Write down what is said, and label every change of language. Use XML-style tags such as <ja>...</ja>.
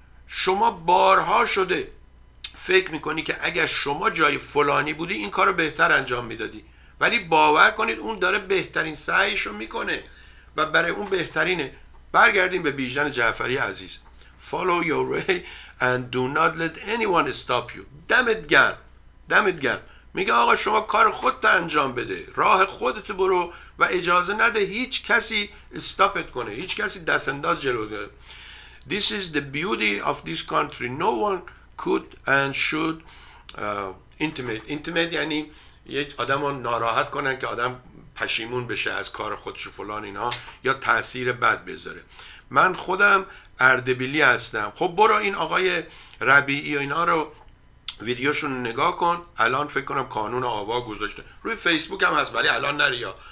<fa>شما بارها شده فکر میکنی که اگر شما جای فلانی بودی این کارو بهتر انجام میدادی، ولی باور کنید اون داره بهترین سعیشو میکنه و برای اون بهترینه. برگردیم به بیژن جعفری عزیز.</fa> <en>Follow your way and do not let anyone stop you.</en> <fa>دمت گرم، دمت گرم. میگه آقا شما کار خودت انجام بده، راه خودت برو و اجازه نده هیچ کسی استاپت کنه، هیچ کسی دست انداز جلو ده.</fa> <en>This is the beauty of this country. No one could and should intimate.</en> <fa>Intimate یعنی یک آدم رو ناراحت کنن که آدم پشیمون بشه از کار خودش فلان اینها یا تأثیر بد بذاره. من خودم اردبیلی هستم. خب برو این آقای ربیعی و اینها رو ویدیوشون نگاه کن. الان فکر کنم کانون آوا گذاشته، روی فیسبوک هم هست ولی الان نریا.</fa>